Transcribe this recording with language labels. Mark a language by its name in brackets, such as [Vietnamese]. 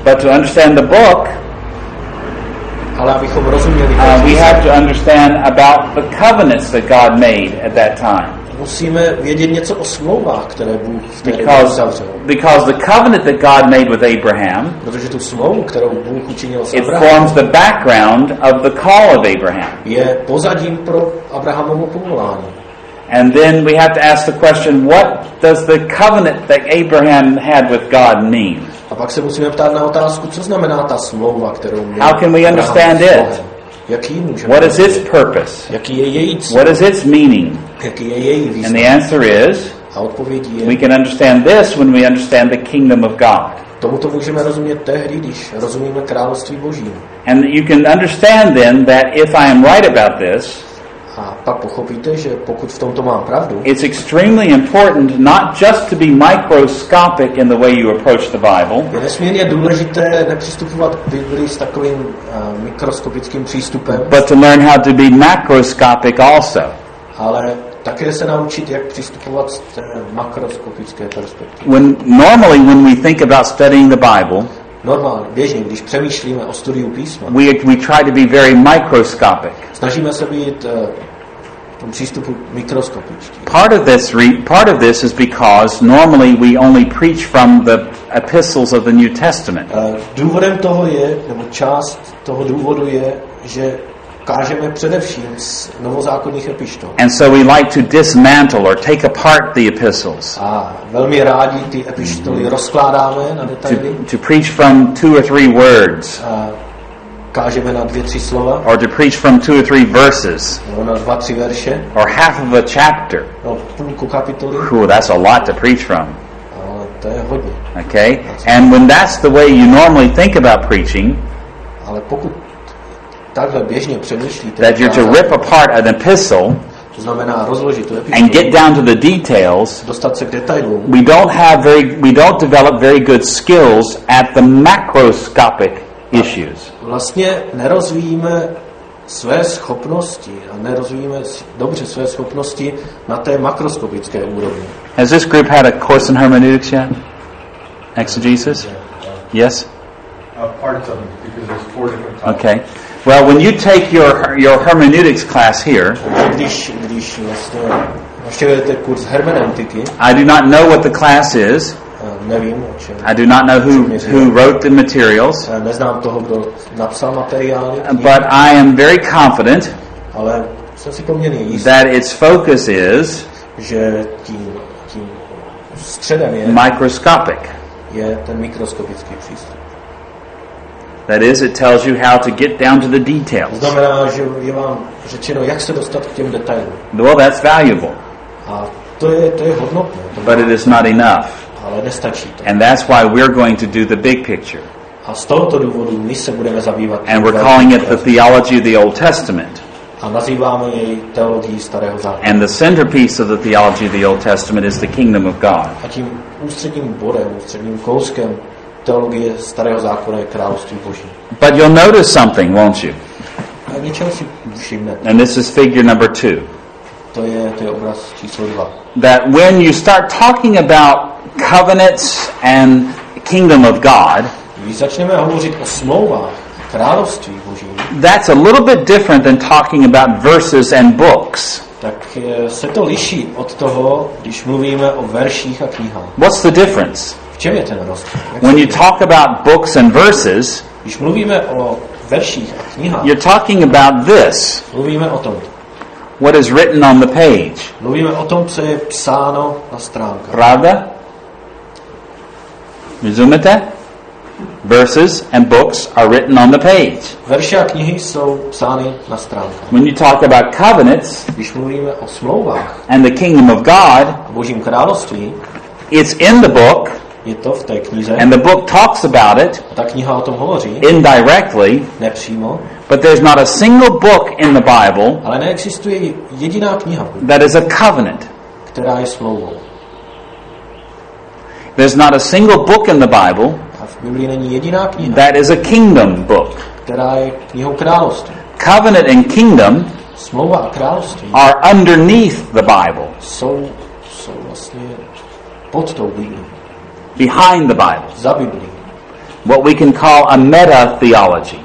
[English] But to understand the book, [Czech] ale abychom rozuměli, [English] we have to understand about the covenants that God made at that time. [Czech] Musíme vědět něco o smlouvách, které Bůh v té době uzavřel. [English] Because the covenant that God made with Abraham, [Czech] protože tu smlouvu, kterou Bůh učinil s Abrahamem, [English] it forms the background of the call of Abraham. [Czech] Je pozadím pro Abrahamovo povolání. [English] And then we have to ask the question, what does the covenant that Abraham had with God mean? [Czech] A pak se musíme ptát na otázku, co znamená ta smlouva, kterou měl. [English] How can we understand it? [Czech] Jaký můžeme? [English] What is its purpose? [Czech] Jaký je její cíl? [English] What is its meaning? [Czech] Jaký je její význam? [English] And the answer is, [Czech] a odpověď je, [English] we can understand this when we understand the kingdom of God. [Czech] Tomuto můžeme rozumět tehdy, když rozumíme království Boží. [English] And you can understand then that if I am right about this, [Czech] a pak pochopíte, že pokud v tomto mám pravdu, [English] it's extremely important not just to be microscopic in the way you approach the Bible. [Czech] Je nesmírně důležité nepřistupovat k Biblii s takovým mikroskopickým přístupem, [English] but to learn how to be macroscopic also. [Czech] Ale také se naučit, jak přistupovat z té makroskopické perspektivy. [English] When we think about studying the Bible, [Czech] normálně, běžně, když přemýšlíme o studiu písma, [English] we try to be very microscopic. [Czech] Snažíme se být v tom přístupu mikroskopičtí. [English] Part of this is because normally we only preach from the epistles of the New Testament. [Czech] Důvodem toho je, nebo část toho důvodu je, že kážeme především z novozákonních epištol. [English] And so we like to dismantle or take apart the epistles. [Czech] A velmi rádi ty epištoly rozkládáme na detaily. [English] To preach from two or three words. [Czech] Kážeme na dvě, tři slova. [English] Or to preach from two or three verses. [Czech] No, na dva, tři verše. [English] Or half of a chapter. [Czech] No, půlku kapitoly. [English] Whew, that's a lot to preach from. [Czech] Ale to je hodně. [English] Okay. And when that's the way you normally think about preaching, [Czech] ale pokud takhle běžně přemýšlíte, [English] that you're to rip apart an epistle, [Czech] to znamená rozložit tu epištolu, [English] and get down to the details, [Czech] dostat se k detailům, [English] we don't develop very good skills at the macroscopic issues. [Czech] Vlastně nerozvíjíme své schopnosti a nerozvíjíme dobře své schopnosti na té makroskopické úrovni. [English] Has this group had a course in hermeneutics yet? Exegesis? Yes? Parts of it, because there's four different types. Okay. Well, when you take your hermeneutics class here, [Czech] když vlastně navštěvujete kurz hermeneutiky. [English] I do not know what the class is. [Czech] Nevím, [English] I do not know who wrote the materials. [Czech] Neznám toho, kdo napsal materiály. [English] But I am very confident. [Czech] Ale jsem si poměrně jistý. [English] That its focus is. [Czech] Že tím středem je. [English] Microscopic. [Czech] Je ten mikroskopický přístup. [English] That is, it tells you how to get down to the details. [Czech] Znamená, že je vám řečeno, jak se dostat k těm detailům. [English] Well, that's valuable. [Czech] A to je hodnotné. [English] But it is not enough. [Czech] Ale nestačí to. [English] And that's why we're going to do the big picture. [Czech] A z tohoto důvodu my se budeme zabývat. [English] And we're calling it the theology of the Old Testament. [Czech] A nazýváme jej teologii Starého zákona. [English] And the centerpiece of the theology of the Old Testament is the kingdom of God. [Czech] A tím ústředním bodem, ústředním kouskem teologie Starého zákona je království Boží. [English] But you'll notice something, won't you? [Czech] A něčeho si všimnete. [English] And this is figure number two. [Czech] To je obraz číslo dva. [English] That when you start talking about covenants and kingdom of God, [Czech] když začneme hovořit o smlouvách království Boží, [English] that's a little bit different than talking about verses and books. [Czech] Tak se to liší od toho, když mluvíme o verších a knihách. [English] What's the difference? [Czech] Čem je ten rozdíl? [English] When you talk about books and verses, [Czech] když mluvíme o verších a knihách, [English] you're talking about this. [Czech] Mluvíme o tom. [English] What is written on the page? [Czech] Mluvíme o tom, co je psáno na stránkách. Pravda? Rozumíte? [English] Verses and books are written on the page. [Czech] Verše a knihy jsou psány na stránkách. [English] When you talk about covenants, [Czech] když mluvíme o smlouvách, [English] and the kingdom of God, [Czech] a Božím království, [English] it's in the book. [Czech] Je to v té knize. [English] And the book talks about it. [Czech] A ta kniha o tom hovoří. [English] Indirectly. [Czech] Nepřímo. [English] But there's not a single book in the Bible. [Czech] Ale neexistuje jediná kniha. [English] That is a covenant. [Czech] Která je smlouvou. [English] There's not a single book in the Bible. [Czech] A v Biblii není jediná kniha. [English] That is a kingdom book. [Czech] Která je knihou království. [English] Covenant and kingdom. [Czech] Smlouva a království. [English] Are underneath the Bible. [Czech] Jsou vlastně pod tou Biblií. [English] Behind the Bible. [Czech] Za Biblii. [English] What we can call a meta theology.